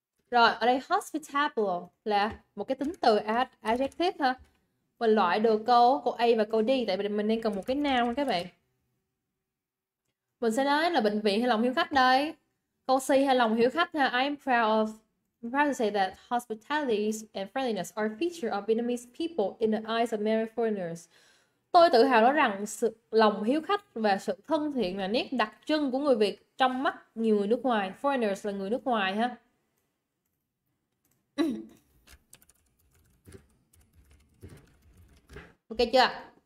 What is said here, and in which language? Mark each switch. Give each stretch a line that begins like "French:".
Vietnamese: Rồi, ở đây hospitable là một cái tính từ adjective ha. Mình loại được câu A và câu D tại vì mình đang cần một cái noun các bạn. Mình sẽ nói là bệnh viện hay lòng hiếu khách đây. Câu C hay lòng hiếu khách ha.
English: I'm proud to say that hospitality and friendliness are feature of Vietnamese people in the eyes of many foreigners.
Vietnamese: Tôi tự hào nói rằng sự lòng hiếu khách và sự thân thiện là nét đặc trưng của người Việt trong mắt nhiều người nước ngoài. Foreigners là người nước ngoài ha. Ok chưa?